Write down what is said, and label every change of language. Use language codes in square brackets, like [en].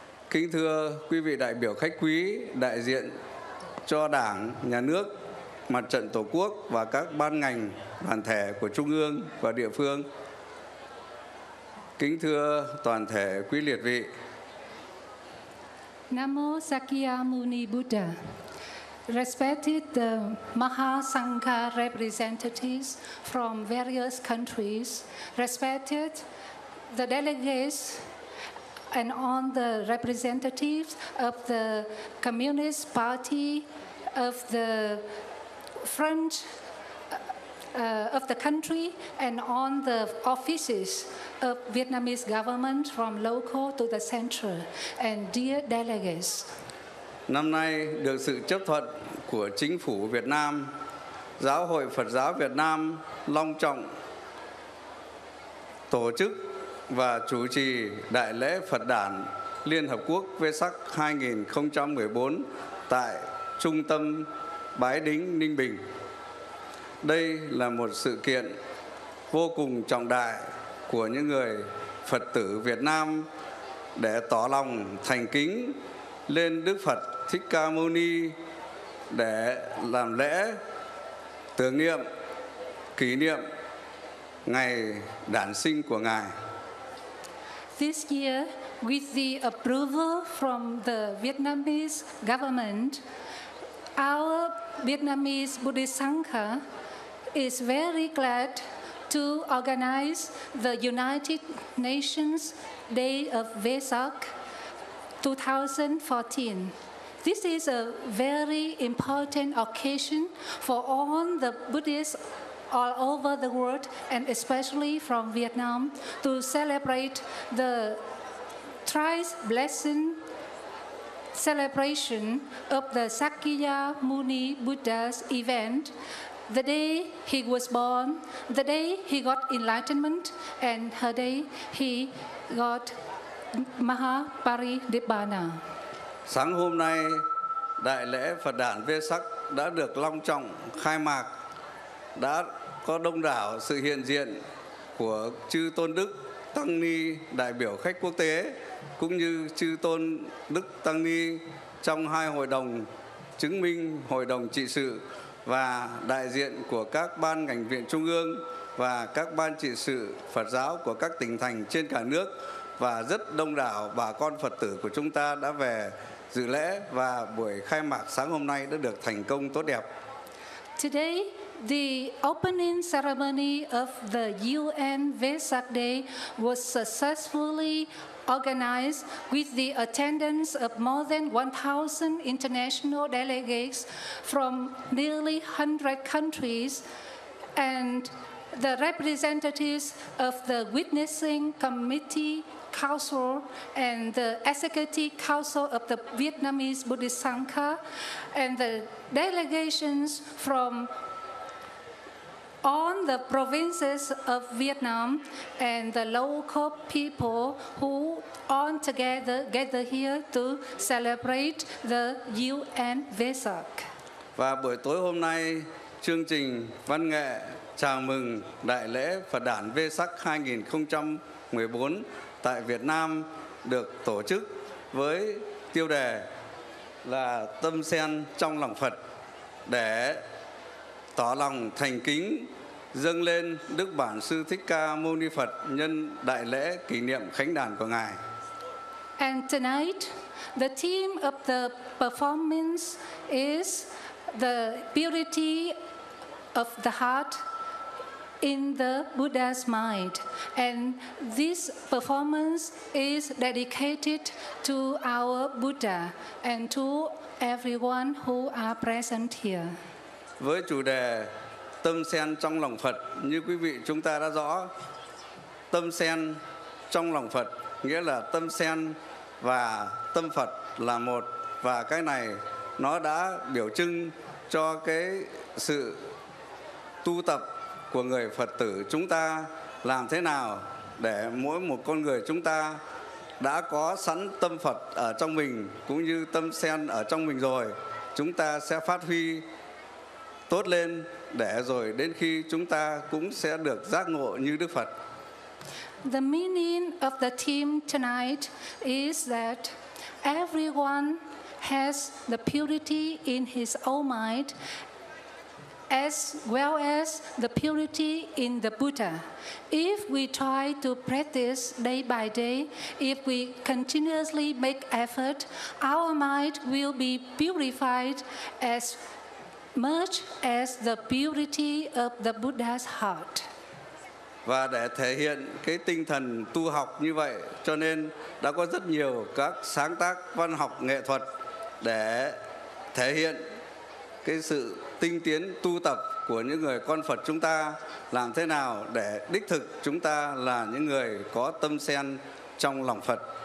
[vi] Kính thưa quý vị đại biểu khách quý đại diện cho Đảng, Nhà nước, Mặt trận Tổ quốc và các ban ngành, đoàn thể của trung ương và địa phương. Kính thưa toàn thể quý liệt vị. [pi] Namo Sakya Muni Buddha. [en] Respected the Mahasangha representatives from various countries, respected the delegates and all the representatives of the Communist Party of the front of the country and on the offices of Vietnamese government from local to the central and dear delegates. [vi] Năm nay được sự chấp thuận của Chính phủ Việt Nam, Giáo hội Phật giáo Việt Nam long trọng tổ chức và chủ trì Đại lễ Phật đản Liên Hợp Quốc Vesak 2014 tại Trung tâm Bái Đính Ninh Bình. Đây là một sự kiện vô cùng trọng đại của những người Phật tử Việt Nam để tỏ lòng thành kính lên Đức Phật Thích Ca Mâu Ni để làm lễ tưởng niệm, kỷ niệm ngày đản sinh của Ngài. [en] This year, with the approval from the Vietnamese government, our Vietnamese Buddhist Sangha is very glad to organize the United Nations Day of Vesak 2014. This is a very important occasion for all the Buddhists all over the world, and especially from Vietnam, to celebrate the thrice blessed celebration of the Sakya Muni Buddha's event, the day he was born, the day he got enlightenment, and the day he got Mahaparinibbana. [vi] Sáng hôm nay, Đại lễ Phật đản Vesak đã được long trọng khai mạc, đã có đông đảo sự hiện diện của chư tôn đức tăng ni đại biểu khách quốc tế cũng như chư tôn đức tăng ni trong hai hội đồng chứng minh, hội đồng trị sự và đại diện của các ban ngành viện trung ương và các ban trị sự Phật giáo của các tỉnh thành trên cả nước, và rất đông đảo bà con Phật tử của chúng ta đã về dự lễ và buổi khai mạc sáng hôm nay đã được thành công tốt đẹp. [en] Today, the opening ceremony of the UN Vesak Day was successfully organized with the attendance of more than 1,000 international delegates from nearly 100 countries and the representatives of the Witnessing Committee Council and the Executive Council of the Vietnamese Buddhist Sangha and the delegations from all the provinces of Vietnam and the local people who all together gather here to celebrate the UN Vesak. [vi] Và buổi tối hôm nay, chương trình văn nghệ chào mừng Đại lễ Phật đản Vesak 2014 tại Việt Nam được tổ chức với tiêu đề là Tâm Sen Trong Lòng Phật, để tỏ lòng thành kính dâng lên Đức Bản Sư Thích Ca Mâu Ni Phật nhân đại lễ kỷ niệm khánh đản của Ngài. [en] And tonight, the theme of the performance is the purity of the heart in the Buddha's mind. And this performance is dedicated to our Buddha and to everyone who are present here. [vi] Với chủ đề Tâm Sen Trong Lòng Phật, như quý vị chúng ta đã rõ, tâm sen trong lòng Phật nghĩa là tâm sen và tâm Phật là một, và cái này nó đã biểu trưng cho cái sự tu tập của người Phật tử chúng ta, làm thế nào để mỗi một con người chúng ta đã có sẵn tâm Phật ở trong mình cũng như tâm sen ở trong mình rồi, chúng ta sẽ phát huy tốt lên để rồi đến khi chúng ta cũng sẽ được giác ngộ như Đức Phật. [en] The meaning of the theme tonight is that everyone has the purity in his own mind as well as the purity in the Buddha. If we try to practice day by day, if we continuously make effort, our mind will be purified as much as the purity of the Buddha's heart. [vi] Và để thể hiện cái tinh thần tu học như vậy, cho nên đã có rất nhiều các sáng tác văn học nghệ thuật để thể hiện cái sự tinh tiến tu tập của những người con Phật chúng ta, làm thế nào để đích thực chúng ta là những người có tâm sen trong lòng Phật.